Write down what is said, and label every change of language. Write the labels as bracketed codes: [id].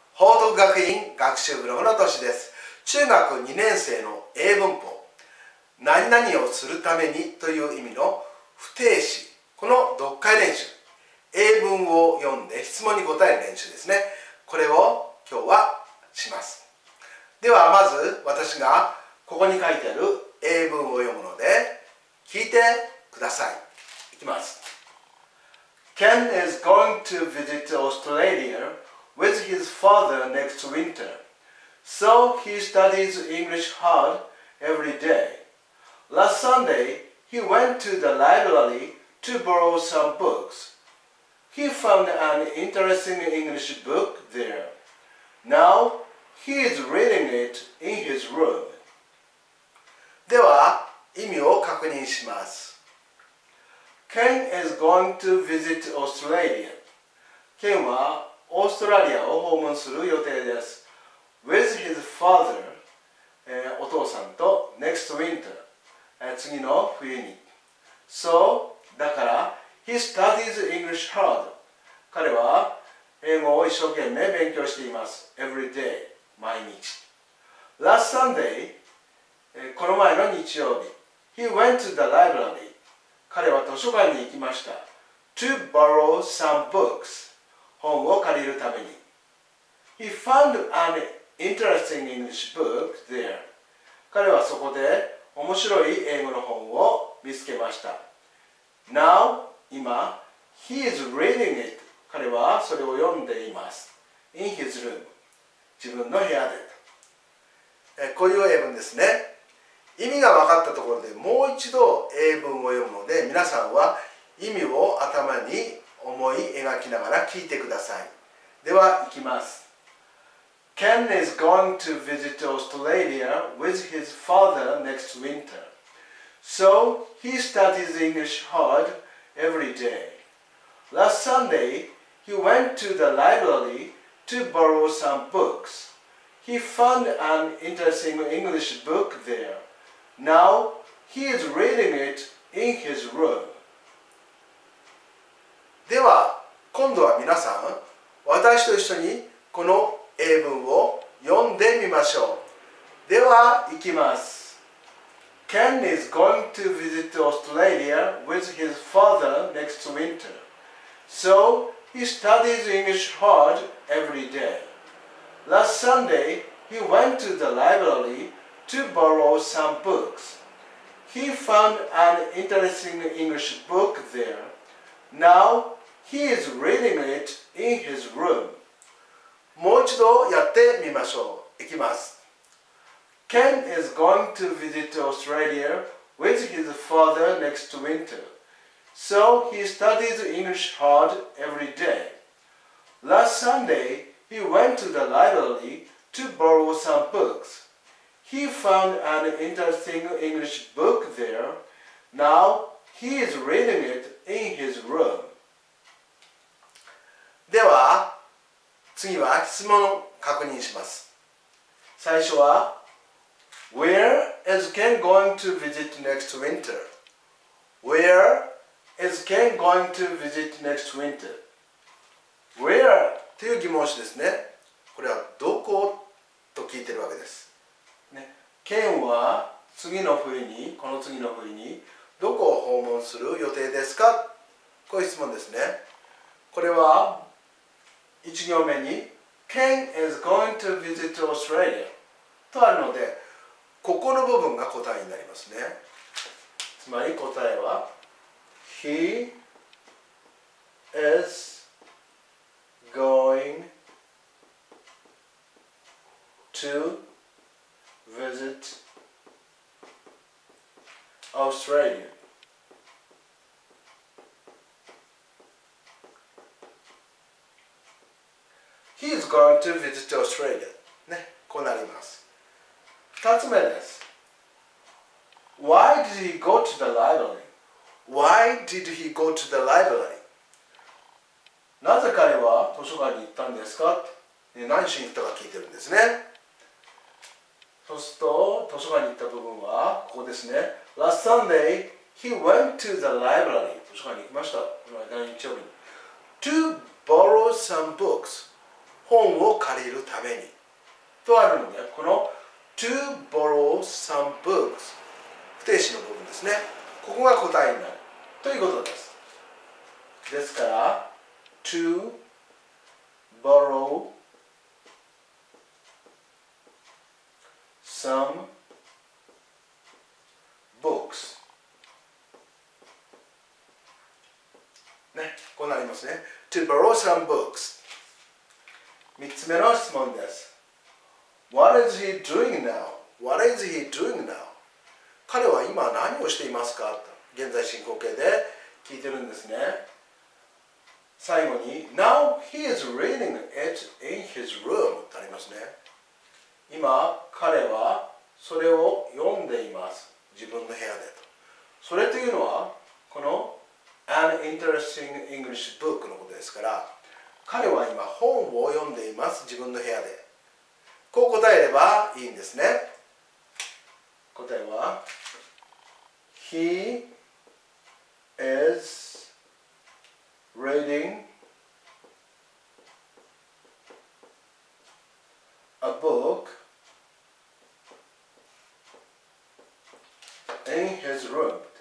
[ja] 報徳学院学習ブログのとしです。中学2年生の英文法、何々をするためにという意味の不定詞、この読解練習、英文を読んで質問に答える練習ですね、これを今日はします。ではまず私がここに書いてある英文を読むので聞いてください。いきます。 [en] Ken is going to visit Australia with his father next winter, so he studies English hard every day. Last Sunday, he went to the library to borrow some books. He found an interesting English book there. Now, he is reading it in his room. [ja] では、意味を確認します。 [en] Ken is going to visit Australia. [ja] Ken はオーストラリアを訪問する予定です。 [en] With his father, [ja] お父さんと [en] next winter, [ja] 次の冬に。 [en] So, [ja] だから [en] he studies English hard. [ja] 彼は英語を一生懸命勉強しています。 [en] Every day, [ja] 毎日。 [en] Last Sunday, [ja] この前の日曜日、 [en] he went to the library. [ja] 彼は図書館に行きました。 [en] To borrow some books. [ja] 本を借りるために。 [en] He found an interesting English book there. [ja] 彼はそこで面白い英語の本を見つけました。 [en] Now, [ja] 今、 [en] he is reading it. [ja] 彼はそれを読んでいます。 [en] In his room. [ja] 自分の部屋で。こういう英文ですね。意味が分かったところでもう一度英文を読むので、皆さんは意味を頭に思い描きながら聞いてください。では、いきます。 [en] Ken is going to visit Australia with his father next winter. So, he studies English hard every day. Last Sunday, he went to the library to borrow some books. He found an interesting English book there. Now, he is reading it in his room. [ja] では、今度は皆さん、私と一緒にこの英文を読んでみましょう。では、いきます。 [en] Ken is going to visit Australia with his father next winter. So, he studies English hard every day. Last Sunday, he went to the library. To borrow some books. He found an interesting English book there. Now he is reading it in his room. [ja] もう一度やってみましょう。いきます。 [en] Ken is going to visit Australia with his father next winter. So he studies English hard every day. Last Sunday, he went to the library to borrow some books. He found an interesting English book there. Now he is reading it in his room. [ja] では、次は質問を確認します。最初は、 [en] Where is Ken going to visit next winter? Where is Ken going to visit next winter? Where? [ja] という疑問詞ですね。これはどこ?と聞いてるわけです。 Ken は次の冬に、この次の冬にどこを訪問する予定ですか? こういう質問ですね。これは1行目に [en] Ken is going to visit Australia [ja] とあるので、ここの部分が答えになりますね。つまり答えは [en] He is going toVisit Australia. He is going to visit Australia. [ja] ね、こうなります。二つ目です。 [en] Why did he go to the library? Why did he go to the library? [ja] なぜ彼は図書館に行ったんですか? 何しに行ったか聞いてるんですね。そうすると、図書館に行った部分は、ここですね。 [en] Last Sunday, he went to the library. [ja] 図書館に行きました。この間の日曜日に。 [en] To borrow some books. [ja] 本を借りるためにとあるんで、この [en] to borrow some books [ja] 不定詞の部分ですね。ここが答えになるということです。ですから [en] to borrow some books [ja] ね、こうなりますね。 [en] to borrow some books。 [ja] 3つ目の質問です。 [en] What is he doing now? What is he doing now? [ja] 彼は今何をしていますか、と現在進行形で聞いてるんですね。最後に [en] Now he is reading it in his room [ja] とありますね。今彼はそれを読んでいます、自分の部屋で、と。それというのはこの [en] An interesting English book [ja] のことですから、彼は今本を読んでいます、自分の部屋で。こう答えればいいんですね。答えは [en] He is reading a book in his room。